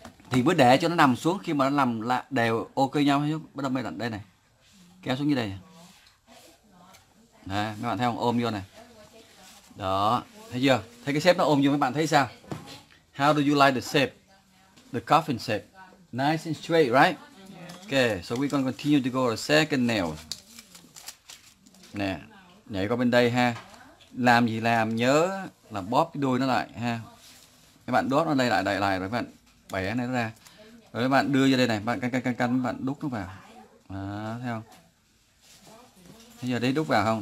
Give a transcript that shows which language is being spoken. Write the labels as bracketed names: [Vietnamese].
[Vietnamese] Thì mới để cho nó nằm xuống, khi mà nó nằm lại đều ok nhau hết. Bắt đầu mới đặt đây này. Kéo xuống như đây. Đấy, mấy bạn thấy không? Ôm vô này. Đó, thấy chưa? Thấy cái shape nó ôm vô, mấy bạn thấy sao? [English] How do you like the shape? The coffin shape. Nice and straight, right? Okay, so we're gonna continue to go to the second nail. [Vietnamese] Nè, nhảy qua bên đây ha. Làm gì làm, nhớ là bóp cái đuôi nó lại ha. Mấy bạn đốt nó đây lại rồi mấy bạn. Bẻ này ra. Rồi các bạn đưa vô đây này, bạn căn bạn đút nó vào. Đó, thấy không? Bây giờ đây đút vào không?